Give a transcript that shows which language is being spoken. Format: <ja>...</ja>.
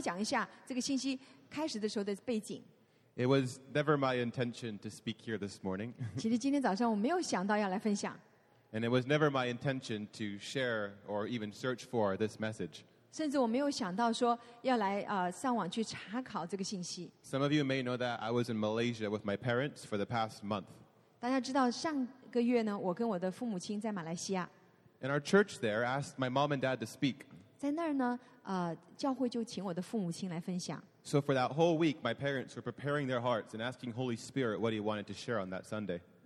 <zh>那在这之前，我想跟大家稍微讲一下这个信息开始的时候的背景。</zh> <en>It was never my intention to speak here this morning.</en> <zh>其实今天早上我没有想到要来分享。</zh> <en>And it was never my intention to share or even search for this message.</en> <zh>甚至我没有想到说要来上网去查考这个信息。</zh> <en>Some of you may know that I was in Malaysia with my parents for the past month.</en> <zh>大家知道上个月呢，我跟我的父母亲在马来西亚。</zh> <en>And our church there asked my mom and dad to speak.</en> <zh>在那儿呢，教会就请我的父母亲来分享。</zh> <en>So for that whole week, my parents were preparing their hearts and asking Holy Spirit what he wanted to share on that Sunday.</en>